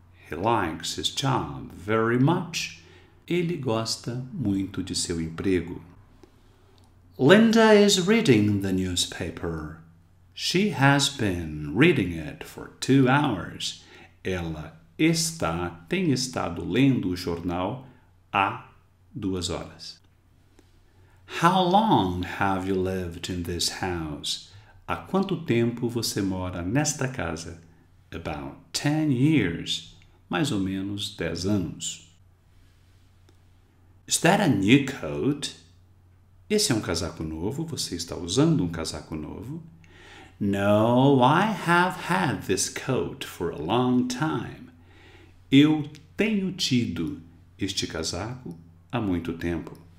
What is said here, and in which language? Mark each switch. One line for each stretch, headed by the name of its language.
English: He likes his job very much.
Portuguese: Ele gosta muito de seu emprego.
English: Linda is reading the newspaper. She has been reading it for 2 hours.
Portuguese: Ela está, tem estado lendo o jornal há 2 horas.
English: How long have you lived in this house?
Portuguese: Há quanto tempo você mora nesta casa?
English: About 10 years.
Portuguese: Mais ou menos 10 anos.
English: Is that a new coat?
Portuguese: Esse é um casaco novo? Você está usando um casaco novo?
English: No, I have had this coat for a long time.
Portuguese: Eu tenho tido este casaco há muito tempo.